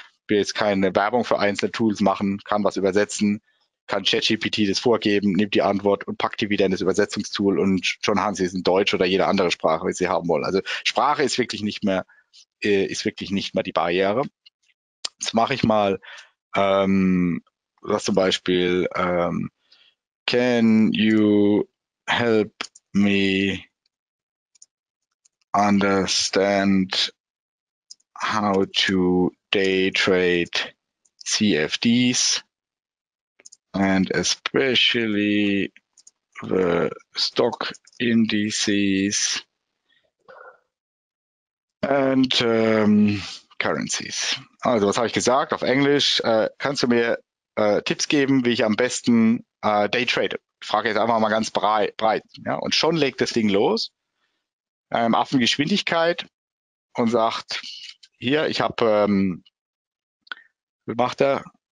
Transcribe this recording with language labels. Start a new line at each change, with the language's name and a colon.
German: Will jetzt keine Werbung für einzelne Tools machen, kann was übersetzen, kann ChatGPT das vorgeben, nimmt die Antwort und packt die wieder in das Übersetzungstool und schon haben Sie es in Deutsch oder jede andere Sprache, wie Sie haben wollen. Also Sprache ist wirklich nicht mehr die Barriere. Das mache ich mal. Was zum Beispiel,
English: can you help me understand how to daytrade CFDs and especially the stock indices and currencies.
German: Also, was habe ich gesagt? Auf Englisch, kannst du mir Tipps geben, wie ich am besten daytrade? Ich frage jetzt einfach mal ganz breit. Ja? Und schon legt das Ding los. Affengeschwindigkeit und sagt, hier, ich habe, wie macht er?